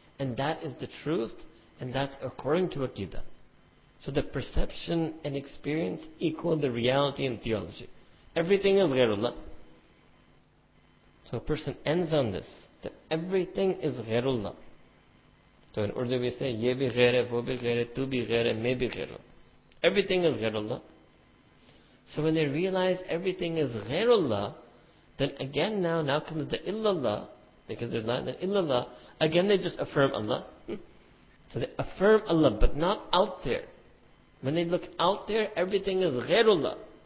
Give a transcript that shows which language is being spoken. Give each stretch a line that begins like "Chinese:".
English: And that is the truth, and that's according to Aqidah. So the perception and experience equal the reality in theology. Everything is ghairullah. So a person ends on this, that everything is ghairullah.
Urdu: So in Urdu we say، یہ بھی غیر ہے، وہ بھی غیر ہے، تو بھی غیر ہے، میں بھی غیر ہوں۔
English: Everything is ghairullah. So when they realize everything is ghairullah, then again now comes the illallah, because there's not an illallah, again they just affirm Allah. So they affirm Allah, but not out there. When they look out there, everything is ghairullah.